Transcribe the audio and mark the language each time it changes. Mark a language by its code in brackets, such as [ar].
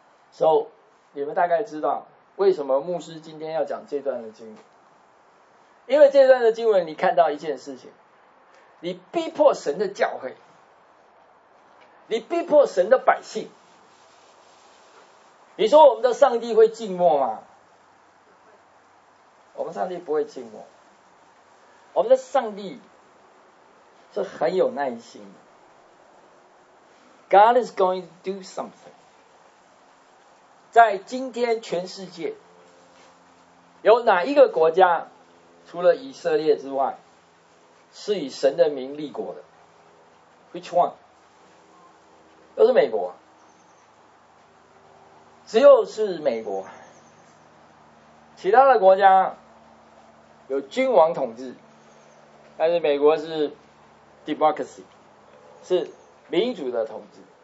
[zh] So 你们大概知道为什么牧师今天要讲这段的经文，因为这段的经文你看到一件事情，你逼迫神的教会，你逼迫神的百姓，你说我们的上帝会静默吗？我们上帝不会静默，我们的上帝是很有耐心的。 [en] God is going to do something。 [zh] 在今天全世界有哪一个国家除了以色列之外是以神的名立国的？ [en] Which one？ [zh] 都是美国，只有是美国，其他的国家有君王统治，但是美国是 democracy， 是民主的统治。